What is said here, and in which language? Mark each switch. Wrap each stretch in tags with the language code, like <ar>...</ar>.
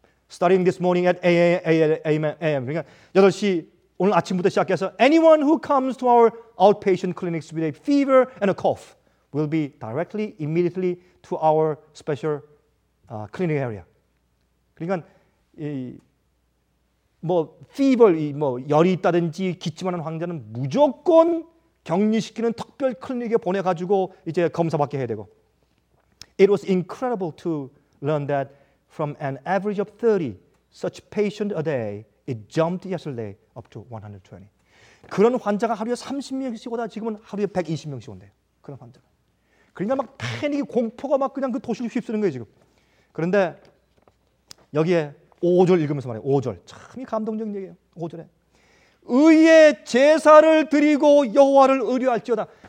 <en>starting this morning at AM</en> <ko>그러니까 8시 오늘 아침부터 시작해서</ko> <en>anyone who comes to our outpatient clinics with a fever and a cough will be directly immediately to our special clinic area.</en> <ko>그러니까 이 뭐 fever 이 뭐 열이 있다든지 기침하는 환자는 무조건 격리시키는 특별 클리닉에 보내 가지고 이제 검사받게 해야 되고.</ko> <en>It was incredible to learn that from an average of 30 such patients a day it jumped yesterday up to 120.</en> <ko>그런 환자가 하루에 30명씩 오다 지금은 하루에 120명씩 온대요. 그런 환자가. 그러니까 막 패닉이 공포가 막 그냥 그 도시를 휩쓰는 거예요, 지금. 그런데 여기에 5절 읽으면서 말해요. 5절. 참이 감동적인 얘기예요. 5절에. 의의 제사를 드리고 여호와를 의뢰할지어다.</ko>